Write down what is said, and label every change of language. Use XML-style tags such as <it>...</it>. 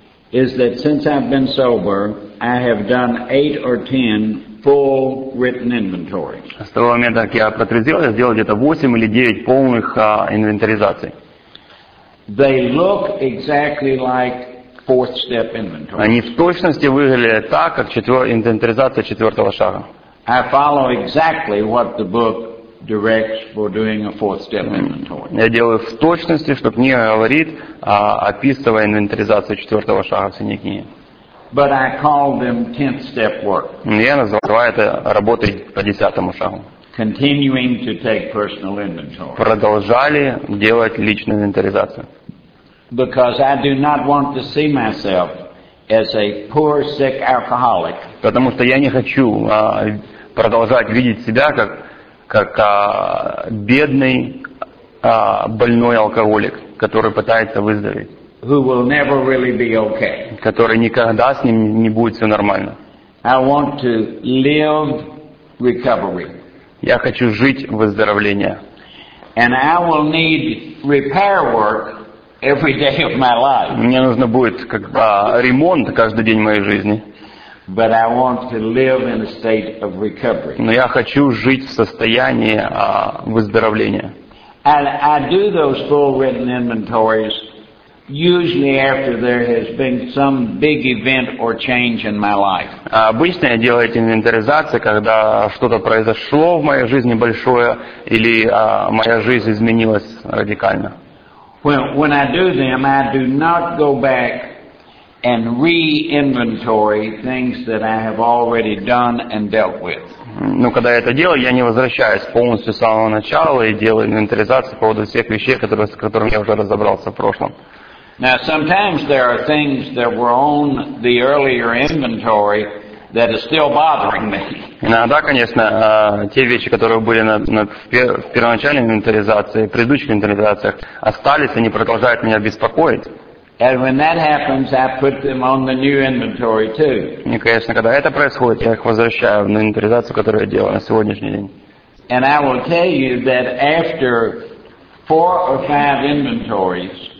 <en>Is that since I've been sober, I have done 8 or 10 full written inventories.</en> <ru>С того момента, как я протрезвел, я сделал где-то 8 или 9 полных инвентаризаций.</ru> <en>They look exactly like fourth step inventory.</en> <ru>Они в точности выглядят так, как инвентаризация четвертого шага.</ru> <en>I follow exactly what the book directs for doing a fourth step inventory.</en> <ru>Я делаю в точности, что книга говорит о описывая инвентаризацию четвертого шага в синей книге.</ru> <en>But I call them tenth step work.</en> <ru>Я называю это работой по десятому шагу.</ru> <en>Continuing to take personal inventory.</en> <ru>Продолжали делать личную инвентаризацию.</ru> <en>Because I do not want to see myself as a poor, sick alcoholic.</en> <ru>Потому что я не хочу продолжать видеть себя как бедный больной алкоголик, который пытается выздороветь.</ru> <en>Who will never really be okay.</en> <ru>Который никогда с ним не будет все нормально.</ru> <en>I want to live recovery.</en> <ru>Я хочу жить выздоровление.</ru> <en>And I will need repair work every day of my life.</en> <ru>Мне нужно будет ремонт каждый день моей жизни.</ru> <en>But I want to live in a state of recovery.</en> <ru>Но я хочу жить в состоянии выздоровления.</ru> <en>And I do those full written inventories usually after there has been some big event or change in my life.</en> <ru>Обычно я делаю эти инвентаризации, когда что-то произошло в моей жизни большое или моя жизнь изменилась радикально.</ru> <en>When I do them, I do not go back and re-inventory things that I have already done and dealt with.</en> <ru>Но когда я это делаю, я не возвращаюсь полностью с самого начала и делаю инвентаризацию по поводу всех вещей, с которыми я уже разобрался в прошлом.</ru> <en>Now sometimes there are things that were on the earlier inventory that is still bothering me.</en> <ru>Иногда, конечно, те вещи, которые были в первоначальной инвентаризации, в предыдущих инвентаризациях, остались, они продолжают меня беспокоить.</ru> <en>And when that happens, I put them on the new inventory too.</en> <ru>И, конечно, когда это происходит, я их возвращаю в инвентаризацию, которую я делаю на сегодняшний день.</ru> <en>And I will tell you that after 4 or 5 inventories,</en>